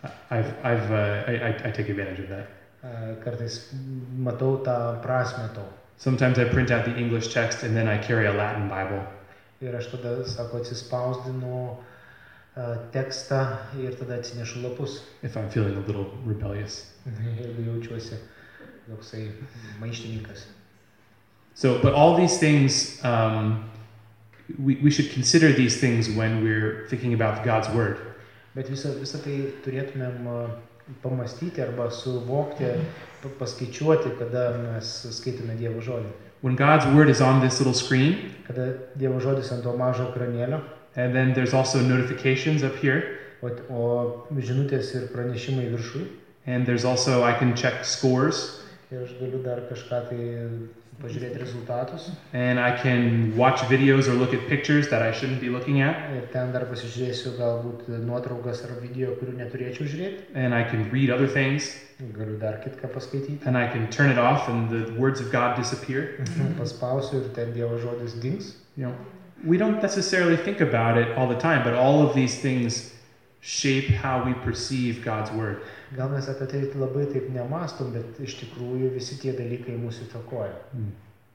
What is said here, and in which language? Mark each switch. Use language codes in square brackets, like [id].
[en] I take advantage of that. [lt] Kartais matau tą prasmę to. [en] Sometimes I print out the English text and then I carry a Latin Bible. [lt] Ir aš tada, sako, atsispausdinu tekstą ir tada atsinešu lapus. [en] If I'm feeling a little rebellious. [lt] Jeigu jaučiuosi toksai maištininkas. [en] So, but all these things, we should consider these things when we're thinking about God's word. [lt] Bet visą tai turėtumėm pamastyti arba suvokti, paskaičiuoti, kada mes skaitome Dievo žodį. [en] When God's word is on this little screen, [lt] kada Dievo žodis ant to mažo ekranėlio, [en] and then there's also notifications up here, [lt] o žinutės ir pranešimai viršui, [en] and there's also, I can check scores, [lt] ir aš galiu dar kažką tai pažiūrėti rezultatus. [en] And I can watch videos or look at pictures that I shouldn't be looking at. [lt] Ir ten dar pasižiūrėsiu galbūt nuotraukas ar video, kurių neturėčiau žiūrėti. [en] And I can read other things. [lt] Galiu dar kitką paskaityti. [en] And I can turn it off and the words of God disappear. [lt] Paspausiu ir ten Dievo žodis dings. [en] You know, we don't necessarily think about it all the time, but all of these things shape how we perceive God's word. [lt] Gal mes apie tai labai taip nemastom, bet iš tikrųjų visi tie dalykai mūsų įtakoja.